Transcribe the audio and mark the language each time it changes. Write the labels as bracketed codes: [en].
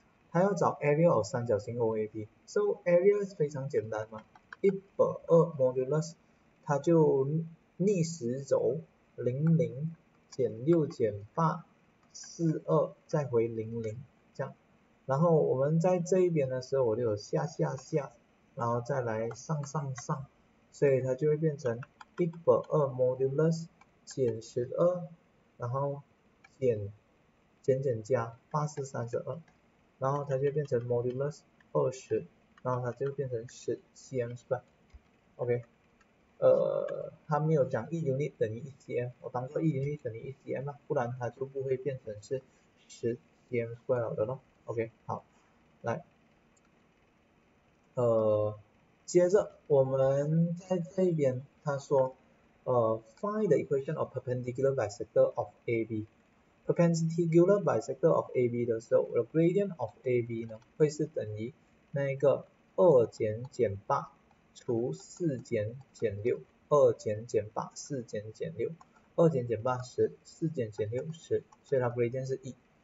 [zh] 它要找 area of 三角形 OAB， so area 非常简单嘛，102 modulus，它就逆时轴00减6减8，42再回00这样，然后我们在这一边的时候，我就有下下下，然后再来上上上，所以它就会变成102 modulus 减12，然后减加8432。然后它就变成 modulus 20，然后它就变成 10 cm 是吧？OK，它没有讲 1 unit 等于 1 cm，我当做 1 unit 等于 1 cm 吧，不然它就不会变成是 10 cm 了的咯。 OK，好，来，接着我们在这边他说， [en] find the equation of perpendicular bisector of AB。 [zh] Perpendicular bisector of AB 的时候，我的 gradient of AB 呢会是等于那一个二减减八除四减减六，二减减八四减减六，二减减八十，四减减六十，所以它 gradient 是一。